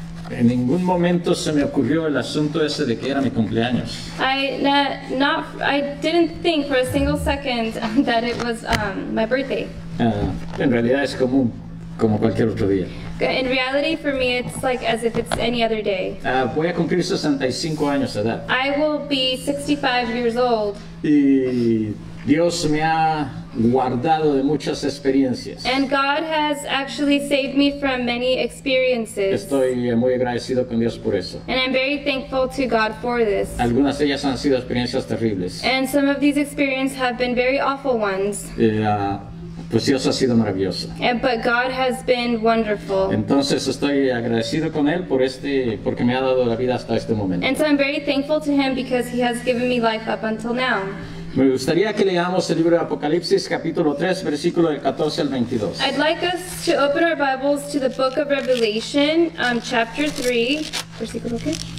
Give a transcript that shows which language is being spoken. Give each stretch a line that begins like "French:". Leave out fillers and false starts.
Spanish: En ningún momento se me ocurrió el asunto ese de que era mi cumpleaños.
English: I didn't think for a single second that it was my birthday.
Spanish: En realidad es común, como cualquier otro día.
English: In reality, for me, it's like as if it's any other day.
Spanish: Voy a cumplir 65 años de edad.
English: I will be 65 years old.
Spanish: Y Dios me ha guardado de muchas experiencias.
English: And God has actually saved me from many experiences.
Spanish: Estoy muy agradecido con Dios por eso.
English: And I'm very thankful to God for this.
Spanish: Algunas de ellas han sido experiencias terribles.
English: And some of these experiences have been very awful ones.
Spanish: Pues Dios ha sido maravilloso.
English: But God has been wonderful.
Spanish: Entonces estoy agradecido con él por este, porque me ha dado la vida hasta este momento.
English: And so I'm very thankful to him because he has given me life up until now.
Spanish: Me gustaría que leamos el libro de Apocalipsis, capítulo 3, versículo del 14 al 22.
English: I'd like us to open our Bibles to the book of Revelation, chapter 3,
Spanish: versículo qué?